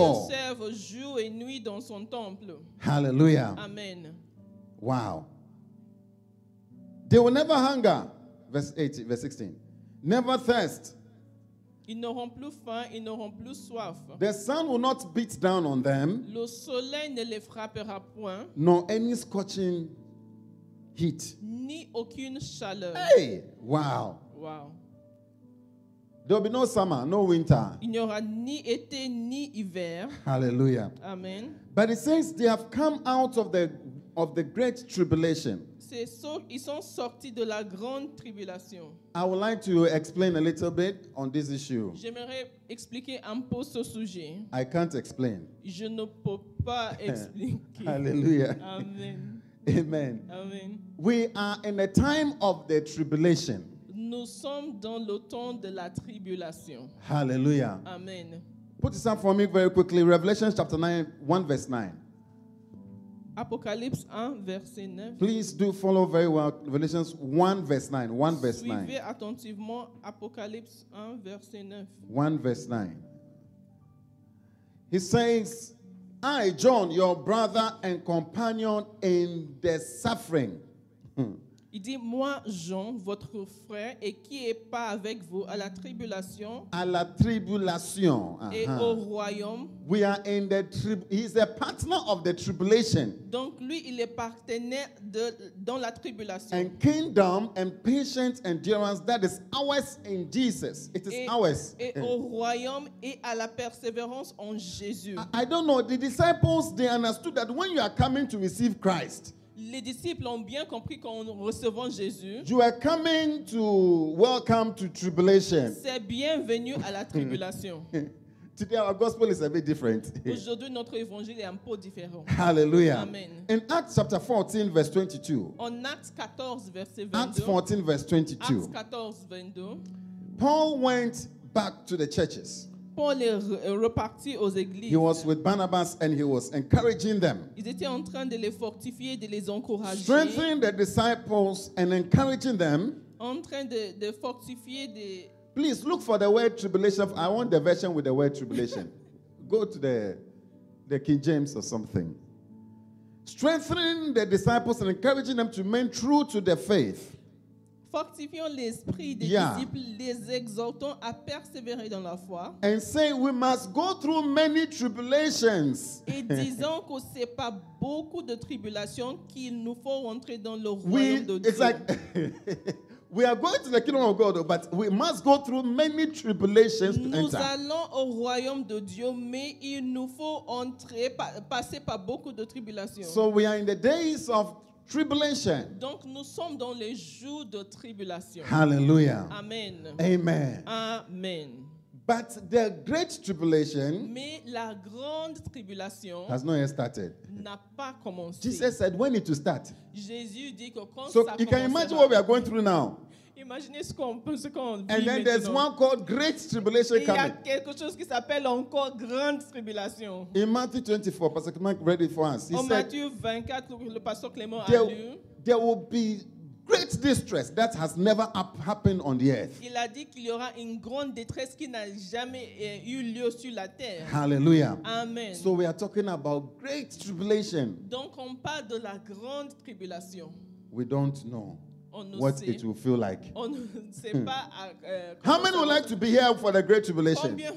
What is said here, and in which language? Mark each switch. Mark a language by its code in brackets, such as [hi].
[fr] Et ils servent jour et nuit dans son temple. Hallelujah. Amen. [en] Wow. They will never hunger. Verse 16. Never thirst. [fr] Ils n'auront plus faim, ils n'auront plus soif. [en] The sun will not beat down on them. [fr] Le soleil ne les frappera point. [en] Nor any scorching heat. [fr] Ni aucune chaleur. [en] Hey, wow. Wow. There will be no summer, no winter. [fr] Il n'y aura ni été ni hiver. Hallelujah. Amen. [en] But it says they have come out of the great tribulation. [fr] Ils sont sortis de la grande tribulation. [en] I would like to explain a little bit on this issue. [fr] J'aimerais expliquer un peu ce sujet. [en] I can't explain. [fr] Je ne peux pas expliquer. Hallelujah. Amen. Amen. Amen. [en] We are in a time of the tribulation. [fr] Nous sommes dans le temps de la tribulation. Hallelujah. Amen. [en] Put this up for me very quickly. Revelation chapter 9, 1 verse 9. [fr] Apocalypse 1, verset 9. [en] Please do follow very well Revelation 1, verse 9. 1, verse 9. [fr] Suivez attentivement Apocalypse 1, verset 9. [en] 1, verse 9. He says, I, John, your brother and companion in the suffering. [fr] Il dit, moi, Jean, votre frère, et qui est pas avec vous à la tribulation. À la tribulation. Uh-huh. Et au royaume. [en] We are in the he's a partner of the tribulation. [fr] Donc lui, il est partenaire dans la tribulation. [en] And kingdom and patience and endurance, that is ours in Jesus. It is ours. [fr] Et au royaume et à la persévérance en Jésus. [en] I don't know, the disciples, they understood that when you are coming to receive Christ, [fr] les disciples ont bien compris qu'en recevant Jésus, [en] you are coming to welcome to tribulation. [fr] C'est bienvenu à la tribulation. [en] Today our gospel is a bit different. [fr] Aujourd'hui notre évangile est un peu différent. Hallelujah. Amen. [en] In Acts chapter 14 verse 22. [fr] En Acts 14 verset 22. [en] Acts 14 verse 22. Acts 14 22. Paul went back to the churches. [fr] Paul est reparti aux églises. [en] He was with Barnabas and he was encouraging them. [fr] Ils étaient en train de les fortifier, de les encourager. [en] Strengthening the disciples and encouraging them. [fr] En train de fortifier des. [en] Please look for the word tribulation. I want the version with the word tribulation. Go to the King James or something. Strengthening the disciples and encouraging them to remain true to the faith. [fr] Fortifions l'esprit des disciples, les exhortons à persévérer dans la foi. [en] And say we must go through many tribulations. [fr] Et disons que c'est pas beaucoup de tribulations qu'il nous faut rentrer dans le royaume de Dieu. [en] We are going to the kingdom of God, but we must go through many tribulations to enter. [fr] Nous allons au royaume de Dieu, mais il nous faut entrer, passer par beaucoup de tribulations. [en] So we are in the days of tribulation. [fr] Donc nous sommes dans les jours de tribulation. Hallelujah. Amen. Amen. Amen. [en] But the great tribulation, [fr] mais la grande tribulation [en] has not yet started. [fr] N'a pas commencé. [en] Jesus said, "When it will start." [fr] Jésus dit que quand [en] so [fr] ça [en] you can imagine what we are going through now. [fr] Imaginez ce qu'on vit maintenant. [en] And then there's one called great tribulation [fr] et [en] coming. [fr] Il y a quelque chose qui s'appelle encore grande tribulation. [en] In Matthew 24, Pastor Clément read it for us. [fr] En Matthieu 24, le pasteur Clément a [en] there, [fr] lu. [en] There will be great distress that has never happened on the earth. [fr] Il a dit qu'il y aura une grande détresse qui n'a jamais eu lieu sur la terre. Hallelujah. Amen. [en] So we are talking about great tribulation. [fr] Donc on parle de la grande tribulation. [en] We don't know what it will feel like. [fr] On ne sait pas. [en] How many would like to be here for the great tribulation?